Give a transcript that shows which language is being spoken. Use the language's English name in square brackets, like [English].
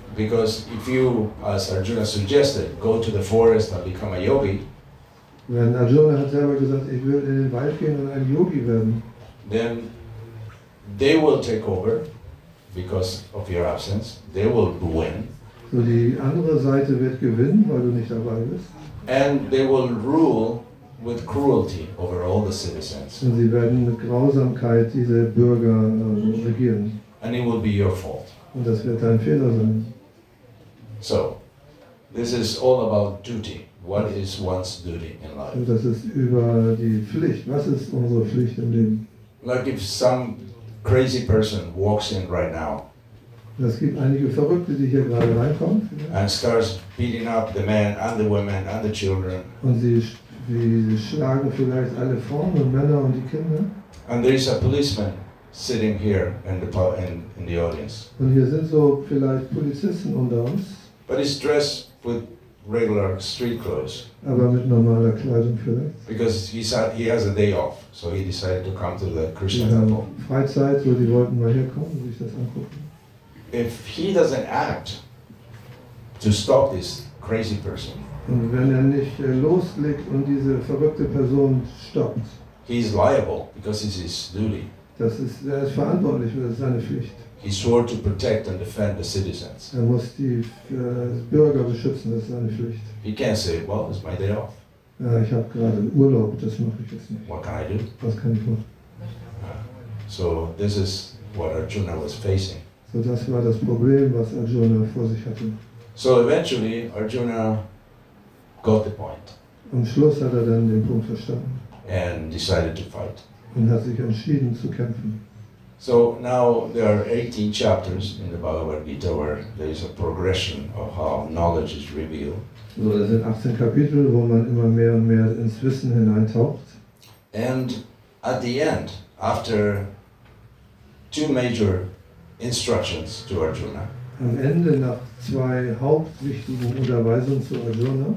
[English] Because if you, as Arjuna suggested, go to the forest and become a yogi. [German] Wenn Arjuna hat selber gesagt, ich will in den Wald gehen und ein Yogi werden. [English] Then they will take over because of your absence. They will win. [German] So die andere Seite wird gewinnen, weil du nicht dabei bist. [English] And they will rule with cruelty over all the citizens. [German] Und sie werden mit Grausamkeit diese Bürger regieren. [English] And it will be your fault. [German] Und das wird dein Fehler sein. [English] So, this is all about duty. What is one's duty in life? [German] Und das ist über die Pflicht. Was ist unsere Pflicht im Leben? [English] Like if some crazy person walks in right now. [German] Es gibt einige Verrückte, die hier gerade reinkommen. [English] And starts beating up the men and the women and the children. [German] Und sie schlagen vielleicht alle Frauen und Männer und die Kinder. [English] And there is a policeman sitting here in the audience. [German] Und hier sind so vielleicht Polizisten unter uns. [English] But he's dressed with regular street clothes. [German] Aber mit normaler Kleidung vielleicht. [English] Because he has a day off, so he decided to come to the Krishna temple. [German] Freizeit, so die wollten mal herkommen und sich das angucken. [English] If he doesn't act to stop this crazy person, [German] und wenn nicht loslegt und diese verrückte Person stoppt, [English] he is liable because it's his duty. [German] Er ist verantwortlich, das ist seine Pflicht. [English] He swore to protect and defend the citizens. [German] Er muss die Bürger beschützen, das ist seine Pflicht. [English] He can't say, well, it's my day off. [German] Ich habe gerade Urlaub, das mache ich jetzt nicht. [English] What can I do? [German] Was kann ich machen? [English] So this is what Arjuna was facing. [German] So das war das Problem, was Arjuna vor sich hatte. [English] So eventually Arjuna got the point. [German] Am Schluss hat dann den Punkt verstanden. [English] And decided to fight. [German] Und hat sich entschieden zu kämpfen. [English] So now there are 18 chapters in the Bhagavad Gita where there is a progression of how knowledge is revealed. [German] So es sind 18 Kapitel, wo man immer mehr und mehr ins Wissen hineintaucht. [English] And at the end, after two major instructions to Arjuna. [German] Am Ende nach zwei hauptwichtigen Unterweisungen zu Arjuna,